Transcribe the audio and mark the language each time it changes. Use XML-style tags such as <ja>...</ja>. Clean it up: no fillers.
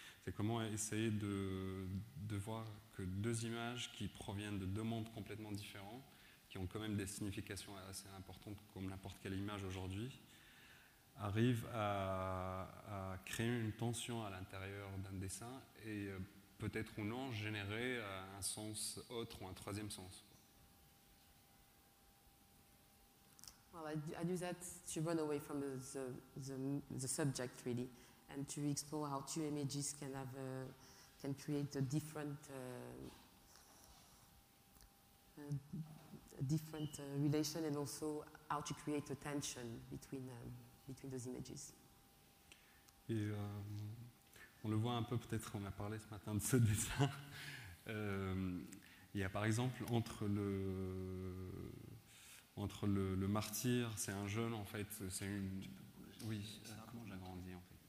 <fr>C'est comment essayer de voir que deux images qui proviennent de deux mondes complètement différents, qui ont quand même des significations assez importantes comme n'importe quelle image aujourd'hui, arrive à créer une tension à l'intérieur d'un dessin et peut-être ou non générer un sens autre ou un troisième sens.</fr> <en>Well, I do that to run away from the subject really, and to explore how two images can have can create a different relation and also how to create a tension between those images.</en> <fr>Et on le voit un peu, peut-être on a parlé ce matin de ce dessin. Il y a par exemple entre le martyr, c'est un jeune en fait, c'est une... Oui, comment j'ai grandi en fait.</fr>